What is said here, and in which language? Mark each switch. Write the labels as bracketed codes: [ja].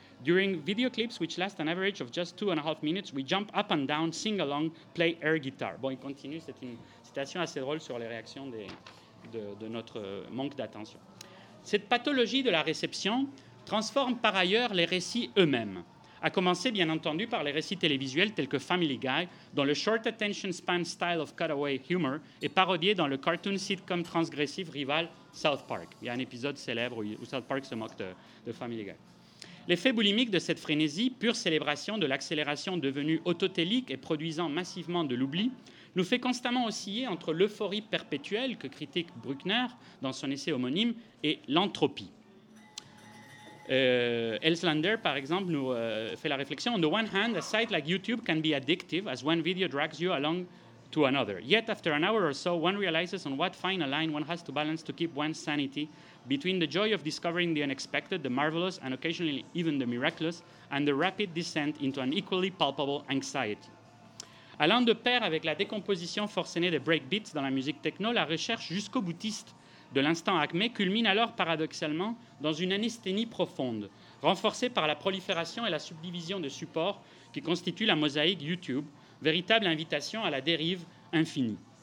[en] During video clips, which last an average of just 2.5 minutes, we jump up and down, sing along, play air guitar. [fr] Bon, il continue, c'est une citation assez drôle sur les réactions de notre manque d'attention. Cette pathologie de la réception transforme par ailleurs les récits eux-mêmes, à commencer bien entendu par les récits télévisuels tels que Family Guy, dont le [en] short attention span style of cutaway humor [fr] est parodié dans le cartoon sitcom transgressif rival South Park. Il y a un épisode célèbre où South Park se moque de Family Guy. L'effet boulimique de cette frénésie, pure célébration de l'accélération devenue autotélique et produisant massivement de l'oubli, nous fait constamment osciller entre l'euphorie perpétuelle que critique Bruckner dans son essai homonyme et l'entropie. Elslander, par exemple, nous fait la réflexion. [en] On the one hand, a site like YouTube can be addictive as one video drags you along to another. Yet after an hour or so, one realizes on what fine a line one has to balance to keep one's sanity between the joy of discovering the unexpected, the marvelous, and occasionally even the miraculous, and the rapid descent into an equally palpable anxiety. [fr] Allant de pair avec la décomposition forcenée des breakbeats dans la musique techno, la recherche jusqu'au boutiste de l'instant acmé culmine alors paradoxalement dans une anesthésie profonde, renforcée par la prolifération et la subdivision de supports qui constituent la mosaïque YouTube, véritable invitation à la dérive infinie.